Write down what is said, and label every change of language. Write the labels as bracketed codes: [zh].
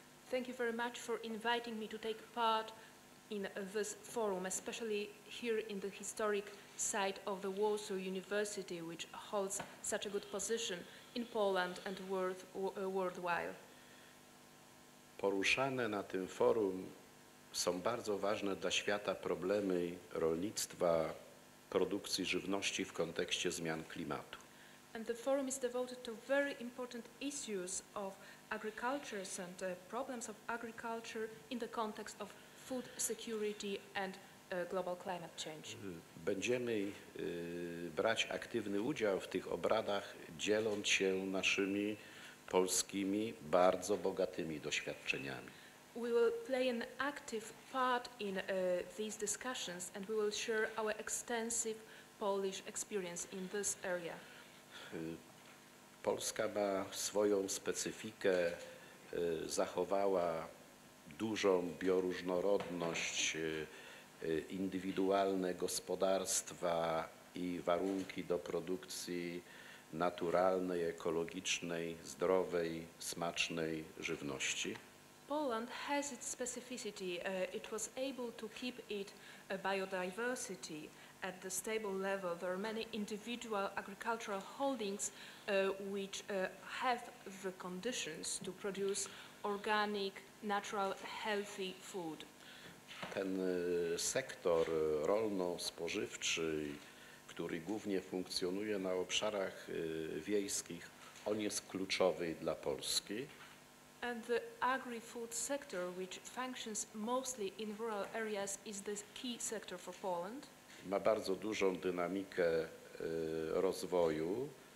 [en] Thank you very much for inviting me to take part in this forum, especially here in the historic site of the Warsaw University, which holds such a good position in Poland and worldwide. [pl] Poruszane na tym forum są bardzo ważne dla świata problemy rolnictwa, produkcji żywności w kontekście zmian klimatu. [en] And the forum is devoted to very important issues of agriculture and problems of agriculture in the context of food security and global climate change. [pl] Będziemy brać aktywny udział w tych obradach, dzieląc się naszymi polskimi bardzo bogatymi doświadczeniami. [en] We will play an active part in these discussions and we will share our extensive Polish experience in this area. [pl] Polska ma swoją specyfikę, zachowała dużą bioróżnorodność, indywidualne gospodarstwa i warunki do produkcji naturalnej, ekologicznej, zdrowej, smacznej żywności. [en] Poland has its specificity. It was able to keep it a biodiversity at the stable level. There are many individual agricultural holdings which have the conditions to produce organic, natural, healthy food. [pl] Ten sektor rolno-spożywczy, który głównie funkcjonuje na obszarach wiejskich, on jest kluczowy dla Polski. [en] And the agri-food sector, which functions mostly in rural areas, is the key sector for Poland. [pl] Ma bardzo dużą dynamikę rozwoju.